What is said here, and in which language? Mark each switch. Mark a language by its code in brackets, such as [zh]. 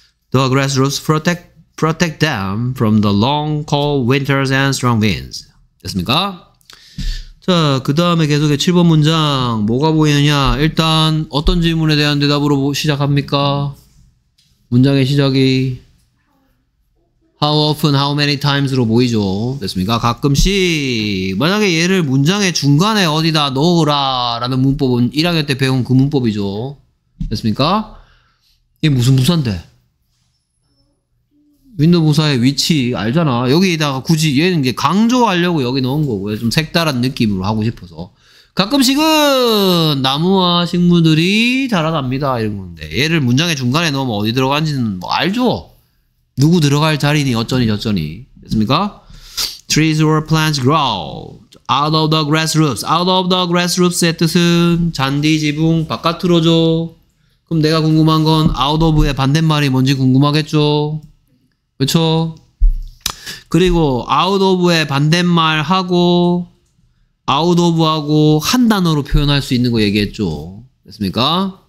[en] The grass roots protect them from the long cold winters and strong winds. [ko] 됐습니까? 자, 그 다음에 계속해 7번 문장 뭐가 보이느냐. 일단 어떤 질문에 대한 대답으로 시작합니까? 문장의 시작이 [en] How often, how many times [ko] 로 보이죠. 됐습니까? 가끔씩. 만약에 얘를 문장의 중간에 어디다 넣어라 라는 문법은 1학년 때 배운 그 문법이죠. 됐습니까? 이게 무슨 부사인데? 윈도 부사의 위치 알잖아. 여기다가 굳이 얘는 이제 강조하려고 여기 넣은 거고요. 좀 색다른 느낌으로 하고 싶어서. 가끔씩은 나무와 식물들이 자라납니다 이런 건데, 얘를 문장의 중간에 넣으면 어디 들어가는지는 뭐 알죠. 누구 들어갈 자리니 어쩌니 저쩌니. 됐습니까? [en] Trees or plants grow out of the grassroots. [ko] Out of the grassroots의 뜻은 잔디 지붕 바깥으로죠. 그럼 내가 궁금한 건 out of의 반대말이 뭔지 궁금하겠죠. 그쵸? 그리고 out of의 반대말하고 out of하고 한 단어로 표현할 수 있는 거 얘기했죠. 됐습니까?